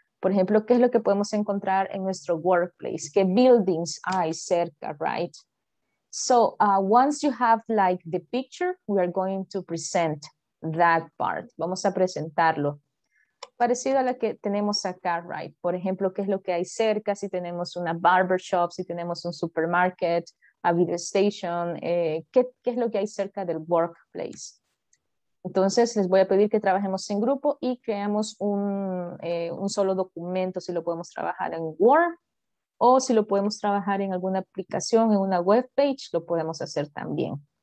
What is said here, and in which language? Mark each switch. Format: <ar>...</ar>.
<es>Por ejemplo, ¿qué es lo que podemos encontrar en nuestro workplace? ¿Qué buildings hay cerca, right?</es> <en>So, once you have like the picture, we are going to present that part.</en> <es>Vamos a presentarlo. Parecido a lo que tenemos acá, right? Por ejemplo, ¿qué es lo que hay cerca? Si tenemos una barbershop, si tenemos un supermarket, a video station, ¿qué es lo que hay cerca del workplace? Entonces, les voy a pedir que trabajemos en grupo y creamos un solo documento, si lo podemos trabajar en Word o si lo podemos trabajar en alguna aplicación, en una web page, lo podemos hacer también.</es>